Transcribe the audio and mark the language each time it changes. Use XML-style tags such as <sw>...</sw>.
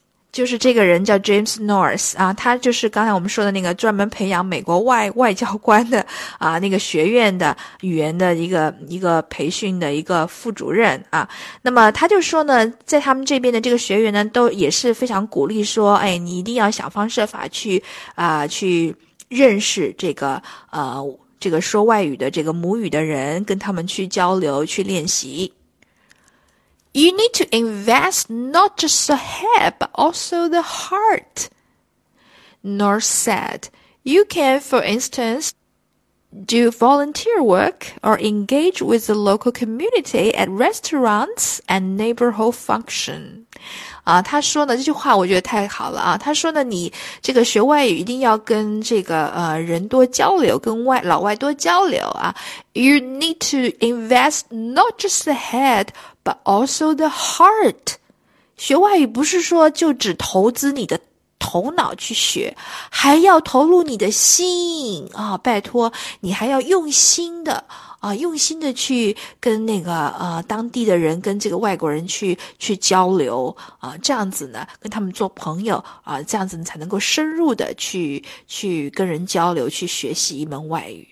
<zh>就是这个人叫 James North 啊，他就是刚才我们说的那个专门培养美国外交官的啊，那个学院的语言的一个培训的一个副主任啊。那么他就说呢，在他们这边的这个学员呢，都也是非常鼓励说，哎，你一定要想方设法去认识这个说外语的这个母语的人，跟他们去交流去练习。</zh> <en>You need to invest not just the head, but also the heart, North said. You can, for instance, do volunteer work or engage with the local community at restaurants and neighborhood function.</en> <zh>他说呢，这句话我觉得太好了啊。他说呢，你这个学外语一定要跟这个人多交流，跟老外多交流啊。</zh> <en>You need to invest not just the head,But also the heart.</en> <zh>学外语不是说就只投资你的头脑去学，还要投入你的心啊！拜托，你还要用心的啊，用心的去跟那个当地的人，跟这个外国人去交流啊，这样子呢，跟他们做朋友啊，这样子你才能够深入的去跟人交流，去学习一门外语。</zh>